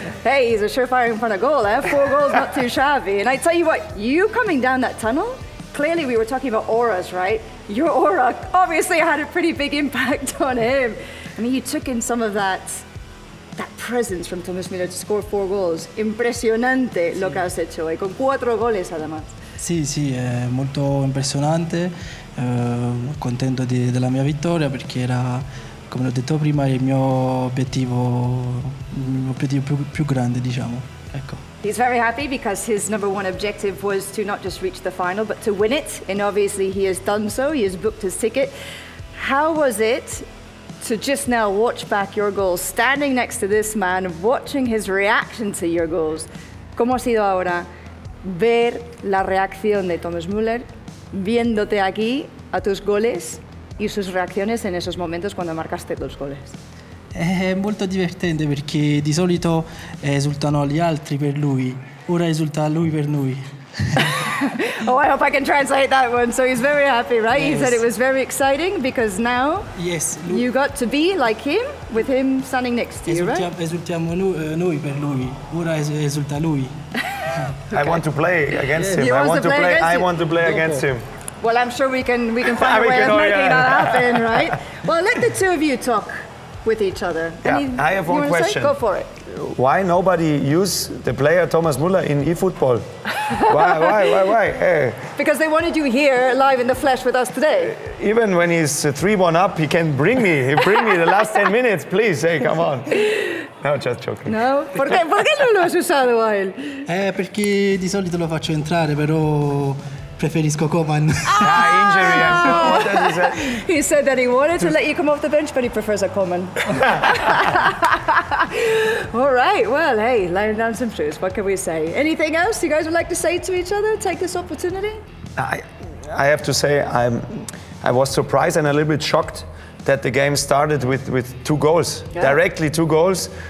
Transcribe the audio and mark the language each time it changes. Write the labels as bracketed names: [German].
[English] Hey, he's a surefire in front of goal. Eh? 4 goals, not too shabby. And I tell you what, you coming down that tunnel, clearly we were talking about auras, right? Your aura obviously had a pretty big impact on him. I mean, you took in some of that presence from Thomas Müller to score 4 goals. [Spanish] Impresionante sí. Lo que has hecho hoy, con 4 goles además. [Italian] Sí, molto impressionante. Contento della mia vittoria perché era, come ho detto prima, il mio obiettivo più grande, diciamo. Ecco. [English] He's very happy because his number one objective was to not just reach the final but to win it, and obviously he has done so. He has booked his ticket. How was it to just now watch back your goals, standing next to this man, watching his reaction to your goals? [Spanish] ¿Cómo ha sido ahora ver la reacción de Thomas Müller viéndote aquí a tus goles y sus reacciones en esos momentos cuando marcaste los goles? [Italian] È molto divertente perché di solito esultano gli altri per lui, ora esulta lui per noi. [English] Oh, I hope I can translate that one. So he's very happy, right? Yes. He said it was very exciting because now you got to be like him with him standing next to you, right? [Italian] Esultiamo noi per lui, ora esulta lui. [English] Okay. I want to play against him. I want to play against him. Well, I'm sure we can find a way of making that happen, right? Well, let the two of you talk with each other. Yeah. I have one question. Go for it. Why nobody use the player Thomas Muller in eFootball? Why? Because they wanted you here, live in the flesh with us today. Even when he's 3-1 up, he can bring me. He bring me the last 10 minutes, please. Hey, come on. No, just joking. [Italian] No? Perché non lo has usato [Spanish] a él? [Italian] Perché di solito lo faccio entrare, però preferisco Coman. [English] Ah, injury. He said that he wanted to let you come off the bench, but he prefers a Coman. All right, well, hey, laying down some truths, what can we say? Anything else you guys would like to say to each other? Take this opportunity? I have to say I was surprised and a little bit shocked that the game started with 2 goals, directly 2 goals.